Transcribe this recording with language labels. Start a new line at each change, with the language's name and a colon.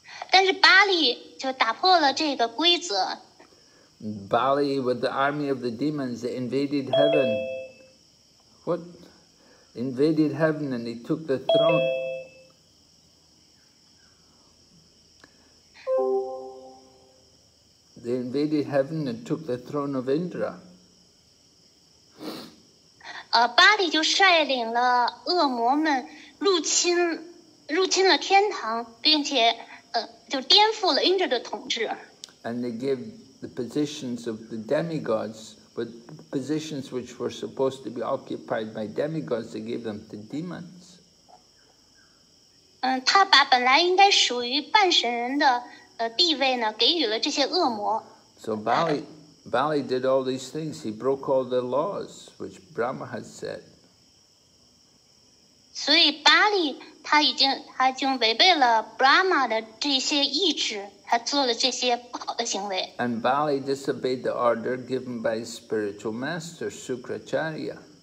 Chinese: 但是巴利就打破了这个规则。
English: Bali with the army of the demons invaded heaven. What? Invaded heaven and he took the throne. They invaded heaven and took the throne of Indra.
Chinese: 巴利就率领了恶魔们入侵了天堂，并且。就颠覆了 Indra 的统治。
English: And they gave the positions of the demigods, but positions which were supposed to be occupied by demigods, they gave them to demons.
Chinese: 他把本来应该属于半神人的地位呢，给予了这些恶魔。
English: So Bali did all these things. He broke all the laws which Brahma had set.
Chinese: 所以巴利。他已经违背了 Brahma 的这些意志，他做了这些不好的行为。
English: And Bali disobeyed the order given by his spiritual master Sukracharya.